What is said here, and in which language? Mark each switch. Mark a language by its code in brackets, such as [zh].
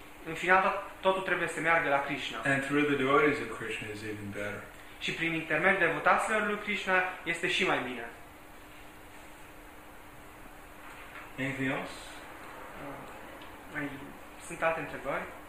[ro] În final, totul trebuie să meargă la Krishna. [en] And through the devotees of Krishna is even better. [ro] Și prin intermediul devotaților lui Krishna este și mai bine. [en] Anything else? [ro] Mai sunt alte întrebări?